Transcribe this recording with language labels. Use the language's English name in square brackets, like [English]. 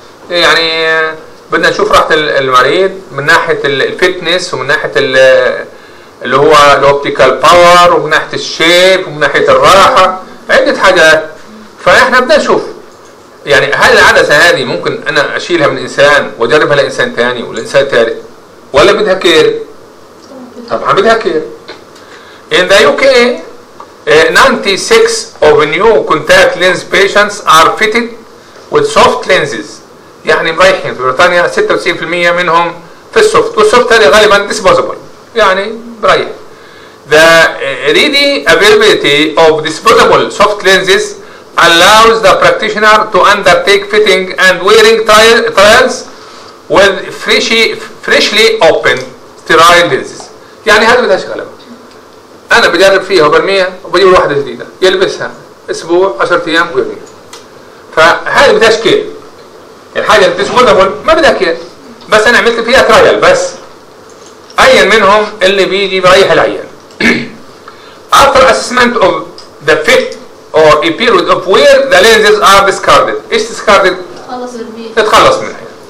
[Arabic] يعني بدنا نشوف راحة المريض من ناحية الفيتنس ومن ناحية اللي هو الاوبتيكال باور ومن ناحية الشيب ومن ناحية الراحة، عدة حاجات. فاحنا بدنا نشوف يعني هل العدسة هذه ممكن انا اشيلها من انسان واجربها لانسان ثاني ولانسان ثالث ولا بدها كير؟ طبعا بدها كير. [English] In the UK 96 of new contact lens patients are fitted with soft lenses. [Arabic] يعني مريحين في بريطانيا 96% منهم في السوفت، والسوفت هذه غالبا disposable يعني مريح. [English] The ready availability of disposable soft lenses allows the practitioner to undertake fitting and wearing trials with freshly opened sterile lenses. [Arabic] يعني هذا بدها شغله انا بجرب فيها وبرميها وبجيب واحده جديده يلبسها اسبوع 10 ايام ويرميها. فهذه بدهاش كير. الحاجه اللي بتسبوتابل ما بدها كير، بس انا عملت فيها ترايل بس. اي منهم اللي بيجي بريح العيان. [English] After assessment of the fit or a period of wear the lenses are discarded. [Arabic] ايش discarded؟ تتخلص منها.